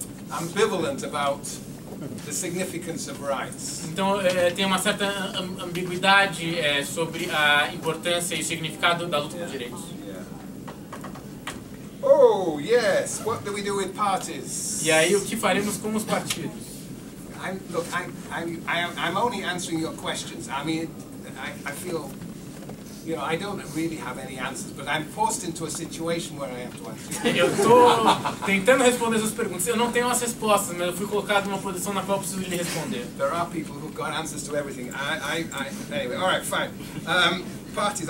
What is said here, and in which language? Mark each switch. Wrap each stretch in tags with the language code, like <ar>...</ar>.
<en>I'm ambivalent about the significance of rights.</en> <pt>Então, tem uma certa ambiguidade sobre a importância e o significado da luta por direitos.</pt> <en>Yeah. Oh, yes. What do we do with parties?</en> <pt>E aí, o que faremos com os partidos?</pt> <en>I'm only answering your questions. I mean, I feel, you know, I don't really have any answers, but I'm forced into a situation where I have to answer.</en> <pt>Eu tô tentando responder essas perguntas. Eu não tenho as respostas, mas eu fui colocado numa posição na qual eu preciso lhe responder.</pt> <en>There are people who've got answers to everything. Anyway, all right, fine. Parties.</en>